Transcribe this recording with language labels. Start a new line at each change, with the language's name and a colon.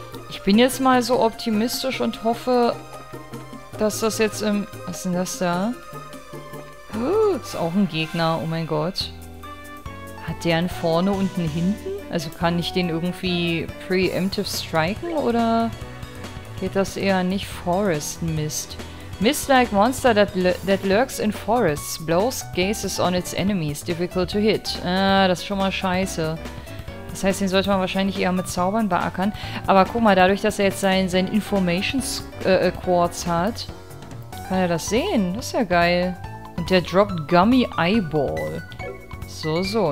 German: Ich bin jetzt mal so optimistisch und hoffe, dass das jetzt im... Was ist denn das da? Ist auch ein Gegner. Oh mein Gott. Hat der einen vorne und einen hinten? Also kann ich den irgendwie preemptive striken oder geht das eher nicht Forest Mist?
English: Mist-like monster that lurks in forests, blows gazes on its enemies, difficult to hit.
German: Das ist schon mal scheiße. Das heißt, den sollte man wahrscheinlich eher mit Zaubern beackern. Aber guck mal, dadurch, dass er jetzt sein Information-Quartz hat, kann er das sehen. Das ist ja geil. Und der droppt Gummy Eyeball. So, so.